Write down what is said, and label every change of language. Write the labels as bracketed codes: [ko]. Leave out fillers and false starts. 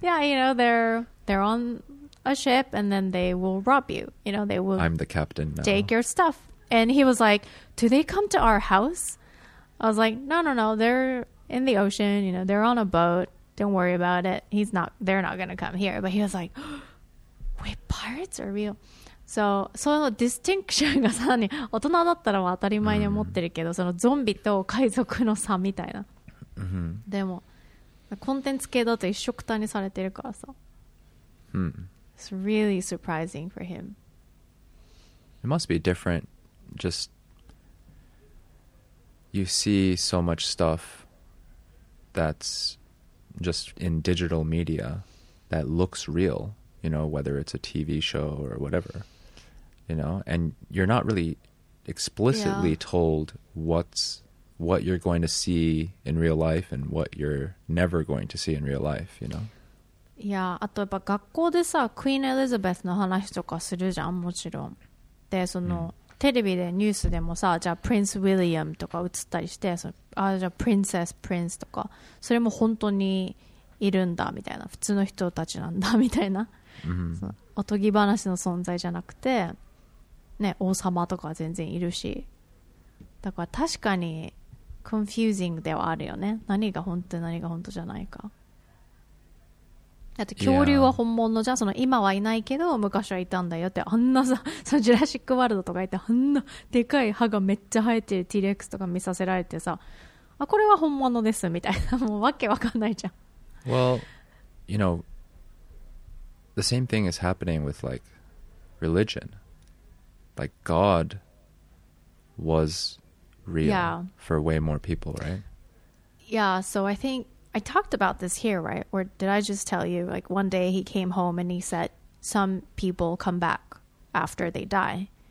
[en] yeah, you know, they're on a ship and then they will rob you. You know, they will. I'm the captain now. Take your stuff. And he was like, do they come to our house? I was like, no, no, no. They're in the ocean. You know, they're on a boat. Don't worry about it. They're not going to come here. But he was like, wait, pirates are real? [ja] So, そのディスティンクションがさらに大人だったら当たり前に思ってるけど、そのゾンビと海賊の差みたいな。でもコンテンツ系だと一緒くたにされてるからさ。 [en] It's really surprising for him. It must be different. Just you see so much stuff that's just in digital media that looks real. You know, whether it's a TV show or whatever. You know, and you're not really explicitly told what you're going to see in real life and what you're never going to see in real life, you know? [ja] Yeah, あとやっぱ学校でさ、クイーン・エリザベスの話とかするじゃん、もちろん。で、その、テレビでニュースでもさ、じゃあプリンス・ウィリアムとか映ったりして、その、あ、じゃあプリンセス・プリンスとか、それも本当にいるんだみたいな、普通の人たちなんだみたいな。おとぎ話の存在じゃなくて、ね、王様とか全然いるし、だから確かに confusing ではあるよね。何が本当、何が本当じゃないか。だって恐竜は本物じゃん。その今はいないけど昔はいたんだよって、あんなさ、そのジュラシックワールドとか言って、あんなでかい歯がめっちゃ生えてる T-Rex とか見させられてさ、あ、これは本物ですみたいな、もうわけわかんないじゃん。 [en] Well, you knowThe same thing is happening with, like, religion. Like, God was real for way more people, right? Yeah, so I think I talked about this here, right? Or did I just tell you, like, one day he came home and he said, some people come back after they die.